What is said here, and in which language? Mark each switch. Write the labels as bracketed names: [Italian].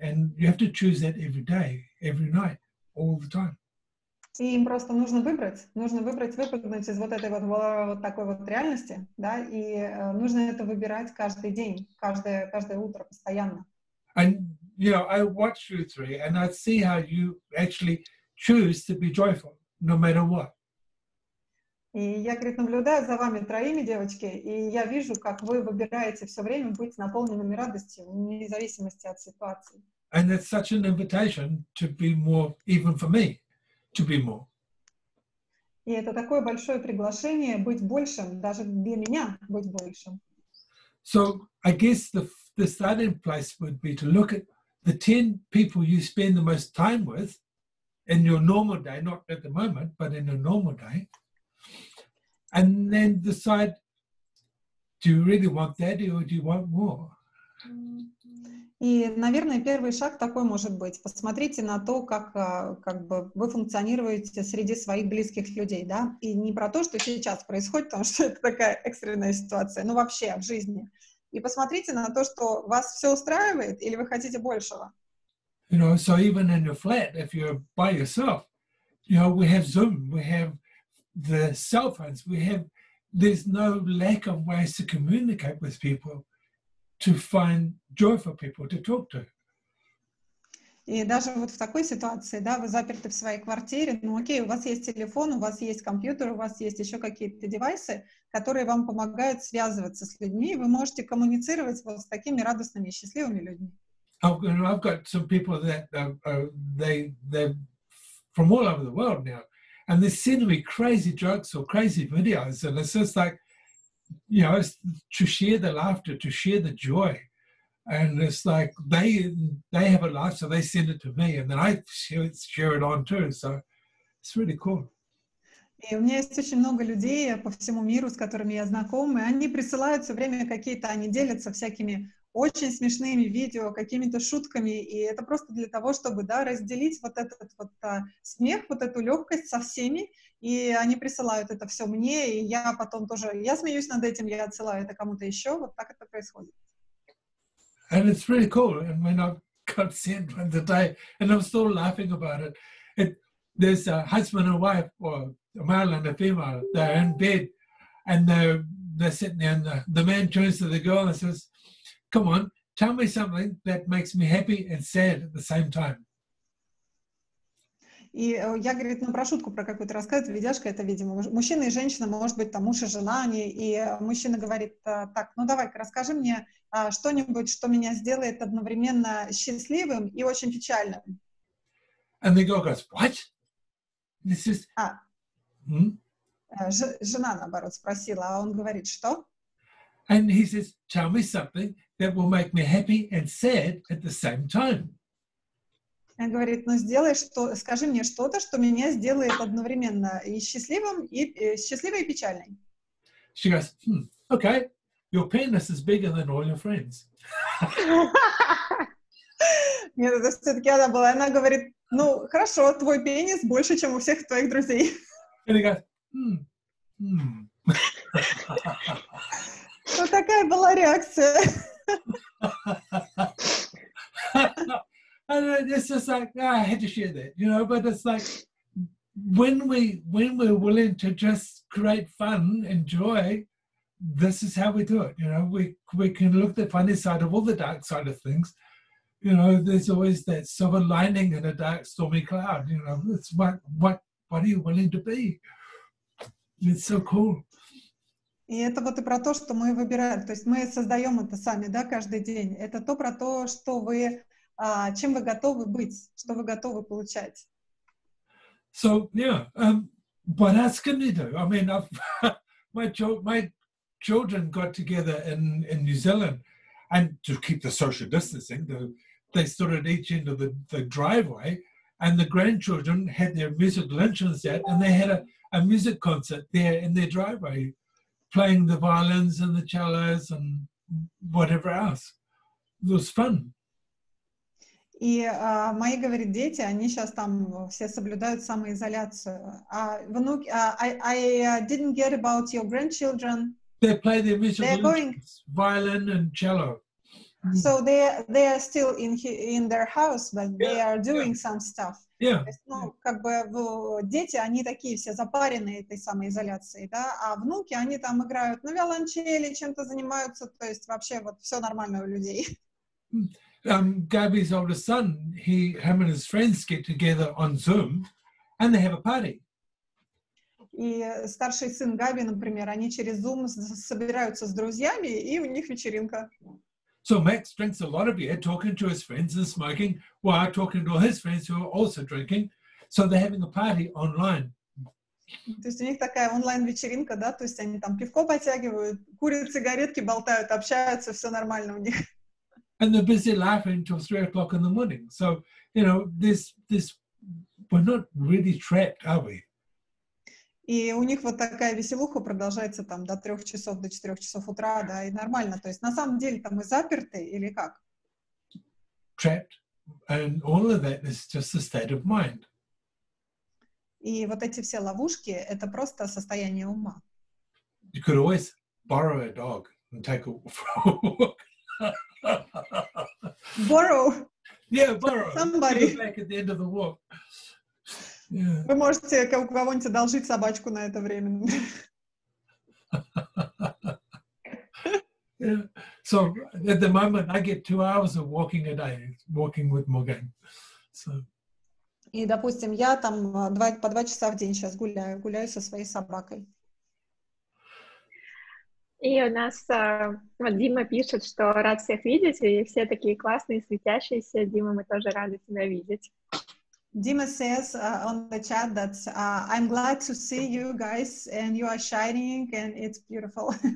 [English] And you have to choose that every day, every night, all the time. [Russian] И им просто нужно выбрать, выпрыгнуть из вот этой вот такой вот реальности, да, и нужно это выбирать каждый день, каждое утро, постоянно. [English] And, you know, I watch you three, and I see how you actually choose to be joyful, no matter what. [Russian] И я, говорит, наблюдаю за вами троими, девочки, и я вижу, как вы выбираете все время быть наполненными радостью, вне зависимости от ситуации. [English] And it's such an invitation to be more, even for me. To be more. [Russian] И это такое большое приглашение быть большим, даже для меня быть большим. [English] So I guess the starting place would be to look at the 10 people you spend the most time with in your normal day, not at the moment, but in a normal day, and then decide, do you really want that or do you want more? [Russian] И, наверное, первый шаг такой может быть. Посмотрите на то, как, как бы вы функционируете среди своих близких людей, да? И не про то, что сейчас происходит, потому что это такая экстренная ситуация, но вообще в жизни. И посмотрите на то, что вас все устраивает или вы хотите большего. [English] You know, so even in your flat, if you're by yourself, you know, we have Zoom, we have the cell phones, we have, there's no lack of ways to communicate with people. To find joy for people to talk to. [Russian] И даже вот в такой ситуации, да, вы заперты в своей квартире, ну окей, у вас есть телефон, у вас есть компьютер, у вас есть еще какие-то девайсы, которые вам помогают связываться с людьми, вы можете коммуницировать вот с такими радостными и счастливыми людьми. [English] I've got some people that they're from all over the world now, and they're sending me crazy jokes or crazy videos, and it's just like, you know, it's to share the laughter, to share the joy. And it's like they have a laugh, so they send it to me, and then I share it on too. So it's really cool. [Russian] И у меня есть очень много людей по всему миру, с которыми я знаком, и они присылают все время какие-то, они делятся всякими очень смешными видео, какими-то шутками, и это просто для того, чтобы, да, разделить вот этот вот смех, вот эту легкость со всеми, и они присылают это все мне, и я потом тоже, я смеюсь над этим, я отсылаю это кому-то еще, вот так это происходит. [English] And it's really cool, and when I got sent one today, and I'm still laughing about it, there's a husband and wife, or a male and a female, they're in bed, and they're sitting there, and the man turns to the girl and says, come on, tell me something that makes me happy and sad at the same time. [Russian] И я, говорит, ну про шутку про какую-то рассказывает, видяшка это, видимо, мужчина и женщина, может быть, там муж и жена, они, и мужчина говорит, так, ну давай-ка расскажи мне что-нибудь, что меня сделает одновременно счастливым и очень печальным. [English] And the girl goes, what? This is... [Russian] Жена, наоборот, спросила, а он говорит, что? [English] And he says, tell me something that will make me happy and sad at the same time. [Russian] Он говорит, ну сделай что, скажи мне что-то, что меня сделает одновременно и счастливым, и счастливой, и печальной. [English] She goes, okay, your penis is bigger than all your friends. [Russian] Нет, это все-таки она была. Она говорит, ну хорошо, твой пенис больше, чем у всех твоих друзей. [English] And he goes, [Russian] Ну вот такая была реакция. [English] And it's just like, oh, I had to share that, you know, but it's like when we're willing to just create fun and joy, this is how we do it, you know. We can look the funny side of all the dark side of things. You know, there's always that silver lining in a dark stormy cloud, you know. It's what are you willing to be? It's so cool. [Russian] И это вот и про то, что мы выбираем, то есть мы создаем это сами, да, каждый день. Это то про то, что вы, чем вы готовы быть, что вы готовы получать. [English] So, yeah, what else can we do? I mean, my children got together in New Zealand, and to keep the social distancing, they stood at each end of the driveway, and the grandchildren had their musical instruments set, and they had a music concert there in their driveway. Playing the violins and the cellos and whatever else. It was fun. [Russian] И мои, говорит, дети, они сейчас там все соблюдают самоизоляцию. [English] I didn't get about your grandchildren. They play their musical instruments, violin and cello. So they are still in their house, but yeah, they are doing some stuff. Yeah. [Russian] Ну, как бы дети, они такие все запаренные этой самоизоляцией, да, а внуки, они там играют на виолончели, чем-то занимаются, то есть вообще вот все нормально у людей. [English] Gabby's oldest son, him and his friends get together on Zoom, and they have a party. [Russian] И старший сын Габи, например, они через Zoom собираются с друзьями, и у них вечеринка. [English] So Max drinks a lot of beer, talking to his friends and smoking, while talking to all his friends who are also drinking. So they're having a party online. [Russian] То есть у них такая онлайн-вечеринка, да, то есть они там пивко потягивают, курят сигаретки, болтают, общаются, все нормально у них. [English] And they're busy laughing till 3 o'clock in the morning. So, you know, this we're not really trapped, are we? [Russian] И у них вот такая веселуха продолжается там до 3 часов, до 4 часов утра, да, и нормально. То есть на самом деле там мы заперты или как? [English] Trapped. And all of that is just a state of mind. [Russian] И вот эти все ловушки — это просто состояние ума. [English] You could always borrow a dog and take a walk. Borrow? Yeah, borrow. Somebody. Back at the end of the walk. [Russian] Вы можете кого-нибудь одолжить собачку на это время. [English] Yeah. So at the moment I get 2 hours of walking a day, walking with Morgan. So. [Russian] И, допустим, я там по два часа в день сейчас гуляю со своей собакой. И у нас вот Дима пишет, что рад всех видеть, и все такие классные, светящиеся. Дима, мы тоже рады тебя видеть. [English] Dima says on the chat that I'm glad to see you guys and you are shining and it's beautiful.